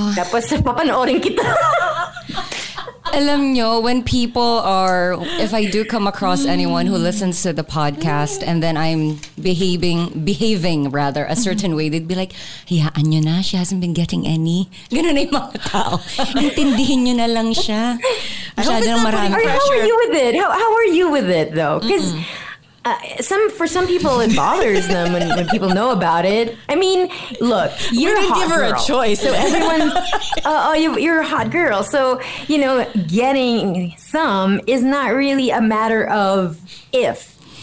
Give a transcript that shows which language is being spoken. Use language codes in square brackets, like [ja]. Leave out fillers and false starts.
[tl] Tapos papanoorin kita. Alam nyo, [en] when people are, if I do come across anyone who listens to the podcast and then I'm behaving a certain way, they'd be like, [tl] hiyaan nyo na, [en] she hasn't been getting any. [tl] Ganun na yung mga tao. Intindihin nyo na lang siya. Masyado nang marami [en] pressure. How are you with it? How are you with it though? Because for some people, it bothers them when people know about it. I mean, look, you're a hot girl. Give her a choice. So everyone, you're a hot girl. So, you know, getting some is not really a matter of if.